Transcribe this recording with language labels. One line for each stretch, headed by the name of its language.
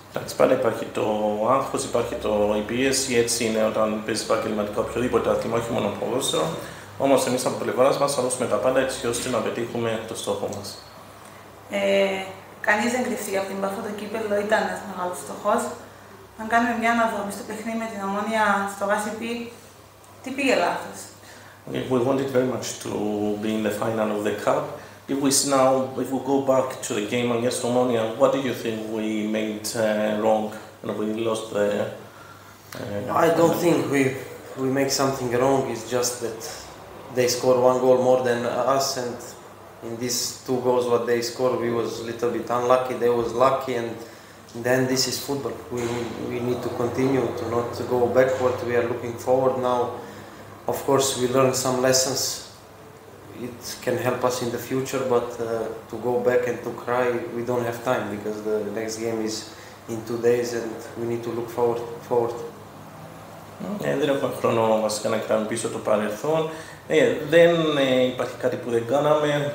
Greek: Εντάξει, πάντα υπάρχει το άγχος, υπάρχει η πίεση, έτσι είναι όταν παίζει επαγγελματικό οποιοδήποτε άθλημα, όχι μόνο ποδόσφαιρο. Όμως εμείς από πλευράς μας θα δώσουμε τα πάντα έτσι ώστε να πετύχουμε το στόχο μας. Κανείς δεν κρυφτεί από την Πάφο, το κύπελλο ήταν ένας μεγάλος στόχος. Αν κάνουμε μια αναδρομή στο παιχνίδι με την Ομόνοια στο Γασιπί, τι πήγε λάθος?
English: We wanted very much to be in the final of the cup. If we go back to the game against Ομόνοια, what do you think we made wrong and we lost the... I don't think we make something wrong, it's just that they score one goal more than us, and in these two goals what they score, we was a little bit unlucky, they was lucky, and then this is football. We need to continue to not go backward, we are looking forward now. Of course, we learned some lessons. It can help us in the future, but to go back and to cry, we don't have time because the next game is in 2 days and we need to look forward.
Greek: Δεν έχουμε χρόνο βασικά να κοιτάμε πίσω το παρελθόν. Δεν υπάρχει κάτι που δεν κάναμε.